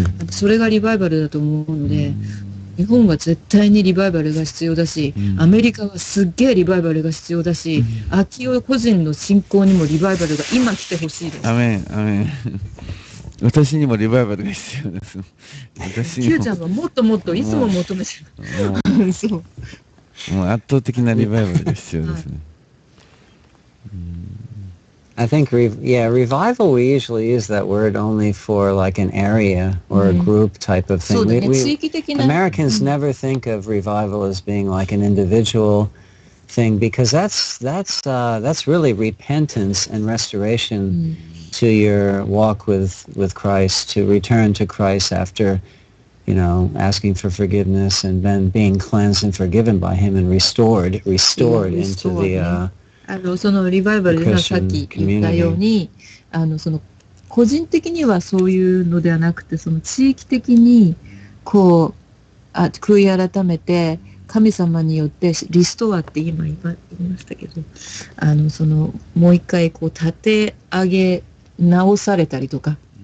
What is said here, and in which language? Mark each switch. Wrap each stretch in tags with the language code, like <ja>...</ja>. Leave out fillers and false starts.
<ja>それがリバイバルだと思うので、日本は絶対にリバイバルが必要だし、アメリカはすっげえリバイバルが必要だし、アキオ個人の信仰にもリバイバルが今来てほしいです。アメン、アメン。私にもリバイバルが必要です。私キューちゃんはもっともっといつも求めてる。そう。もう圧倒的なリバイバルが必要ですね。</ja> <en>I think, revival, we usually use that word only for like an area or a group type of thing. Americans never think of revival as being like an individual thing, because that's really repentance and restoration to your walk with Christ, to return to Christ after, you know, asking for forgiveness and then being cleansed and forgiven by Him and restored into the...</en> <ja>そのリバイバルがさっき言ったように、その個人的にはそういうのではなくて、その地域的にこう悔い改めて神様によってリストアって今言いましたけど、そのもう一回こう立て上げ直されたりとか、</ja>